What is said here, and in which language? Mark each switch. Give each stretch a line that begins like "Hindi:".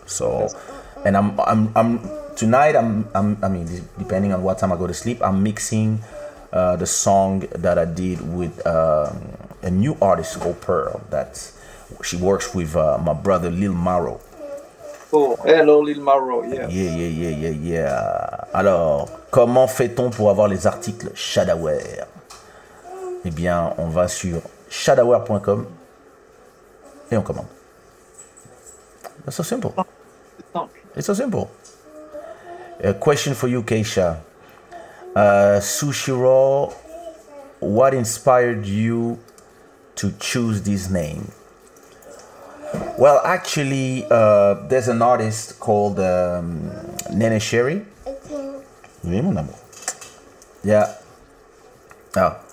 English: So, and I mean, depending on what time I go to sleep, I'm mixing the song that I did with a new artist called Pearl, that she works with my brother Lil Maro. Oh, hello Lil Maro, yeah. Yeah.
French: Alors, comment fait-on pour avoir les articles Shadaware? Eh bien, on va sur shadaware.com et on commande.
English: That's so simple. It's so simple. A question for you, Keisha. Sushi Raw, what inspired you to choose this name? Well, actually, there's an artist called Nene Sherry.
French: Oui, mon amour.
English: Yeah. Oh.